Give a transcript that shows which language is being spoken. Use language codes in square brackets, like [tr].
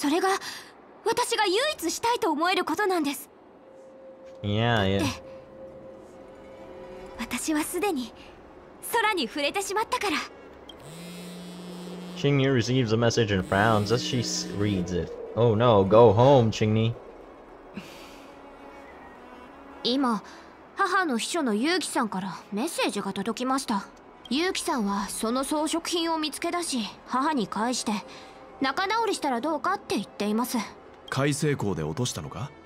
[ja] 親は子供の安全を願うものだ。俺には君のお母さんの気持ちが少しわかる気がする。でも飛びたい。それが私が唯一したいと思えることなんです。 [en] Yeah, yeah. Qingyi receives a message and frowns as she reads it. Oh no, go home, Qingyi. [ja] 今、母の秘書のユウキさんからメッセージが届きました。ユウキさんはその装飾品を見つけ出し、母に返して仲直りしたらどうかって言っています。改正校で落としたのか?